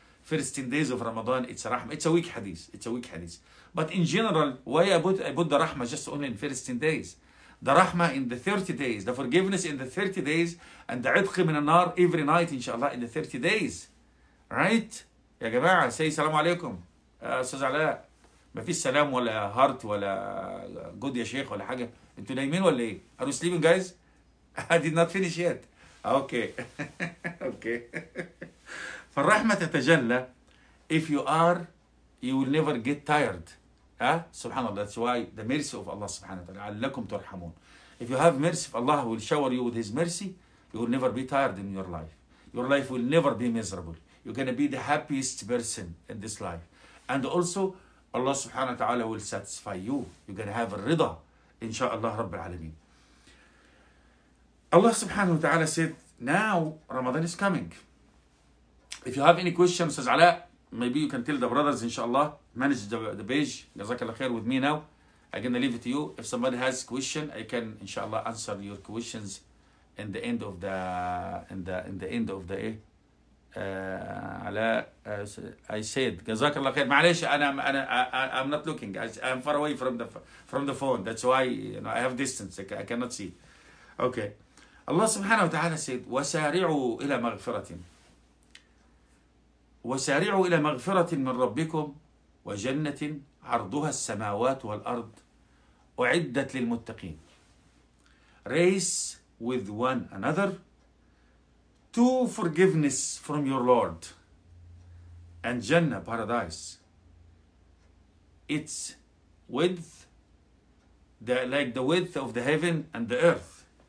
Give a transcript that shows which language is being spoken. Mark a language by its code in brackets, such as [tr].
[en] First 10 days of Ramadan, it's a رحمة. It's a weak hadith. But in general, why I put the رحمة just only in first 10 days? The rahmah in the 30 days, the forgiveness in the 30 days, and the idqi min an-nar every night, inshallah, in the 30 days. Right? Ya jama'a, say salamu alaykum. Sazala, [ar] ما فيش سلام ولا هارت ولا جود يا شيخ ولا حاجه، انتوا نايمين ولا ايه؟ [en] Are you sleeping guys؟ [ar] I did not finish yet. اوكي اوكي. فالرحمه تتجلى. [en] If you are, you will never get tired. [ar] ها؟ سبحان الله. [en] That's why the mercy of Allah سبحانه وتعالى. [ar] لعلكم ترحمون. [en] If you have mercy, Allah will shower you with His mercy. You will never be tired in your life. Your life will never be miserable. You're going to be the happiest person in this life. And also, Allah سبحانه وتعالى will satisfy you. You're going to have a rida, [ar] إن شاء الله رب العالمين. [en] Allah سبحانه وتعالى said, now Ramadan is coming. If you have any questions, says علاء, maybe you can tell the brothers, [ar] إن شاء الله, [en] manage the page. [ar] جزاك الله خير [en] with me now. I'm going to leave it to you. If somebody has a question, I can, إن شاء الله, answer your questions in the end of the, end of the, I said, جزاك الله خير. [ar] معلش أنا [en] I'm not looking. I'm far away from the phone. That's why you know, I have distance. I cannot see. Okay. Allah [ar] سبحانه وتعالى said, وسارعوا إلى مغفرة. وسارعوا إلى مغفرة من ربكم وجنة عرضها السماوات والأرض أعدت للمتقين. [en] Race with one another to forgiveness from your Lord and Jannah, paradise. Its width, like the width of the heaven and the earth.